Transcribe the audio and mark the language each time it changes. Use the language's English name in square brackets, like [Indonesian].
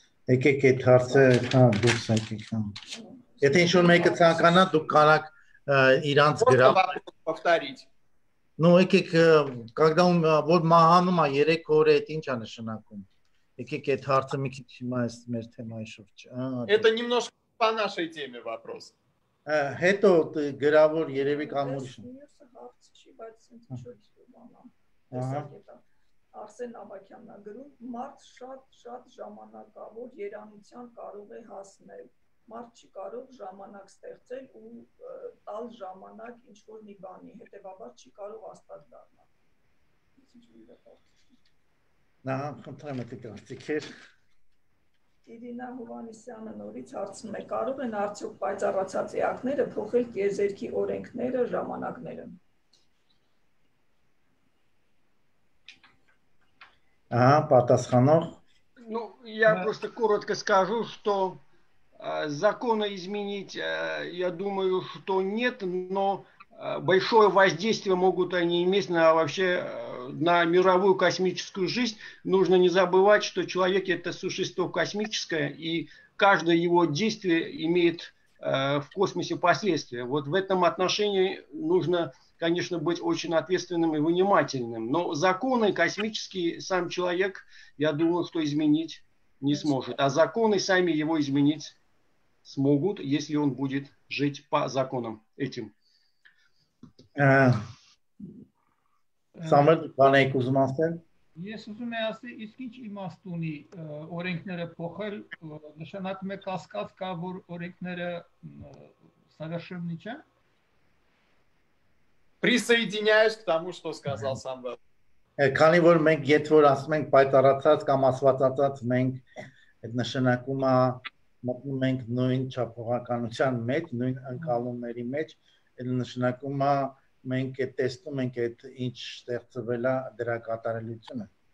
[Armenian] Եկեք այդ հարցը դուրս եկեք։ Եթե ինչ-որ մեկը ցանկանա, դուք կարաք իրանց գրա։ [Russian] Ну, [Armenian] եկեք, [Russian] когда он вот [Armenian] մահանում է 3 օրը, դա ի՞նչ է նշանակում։ Եկեք այդ հարցը մի քիչ հիմա այս մեր թեմայի շուրջ։ [Russian] Это немножко по нашей теме вопрос. [Armenian] Հետո գրավոր երևի կամ ուրիշ։ Մյուսը հարց չի, բայց ինչ-որ մանա։ Արսեն Ավակյանն է գրում, մարդ շատ-շատ ժամանակավոր երանության կարող է հասնել։ Մարդ չի կարող ժամանակ ստեղծել ու տալ ժամանակ ինչ-որ մի բանի, հետևաբար չի կարող աստված դառնալ։ Նա խնդրեմ եք դիտարկել։ Իրինա Հովանեսյանը նորից հարցնում է, կարող են արդյոք պայծառացած էակները փոխել տիեզերքի օրենքները, ժամանակները։ Ահա պատասխանող։ [Russian] Ну, я просто коротко скажу, что закона изменить, я думаю, что нет, но большое воздействие могут они иметь на вообще на мировую космическую жизнь. Нужно не забывать, что человек – это существо космическое, и каждое его действие имеет в космосе последствия. Вот в этом отношении нужно, конечно, быть очень ответственным и внимательным. Но законы космические сам человек, я думаю, что изменить не сможет. А законы сами его изменить смогут, если он будет жить по законам этим. [Armenian] Самэр, բանեիք ուզում ասել? Ես ուզում եմ ասել, իսկ ինչ իմաստ ունի օրենքները փոխել, նշանակում է կասկած կա, որ օրենքները совершенны չէ։ [Russian] Присоединяюсь к тому, что сказал Самвел. [Armenian] Քանի որ մենք եթե որ ասում ենք պայծառացած կամ աստվածածած, մենք այդ նշանակումը մտնում ենք նույն չափողականության մեջ, նույն ընկալումների մեջ, այն նշանակում է մենք է տեսնում ենք այդ ինչ ստեղծվել է դրա կատարելությունը։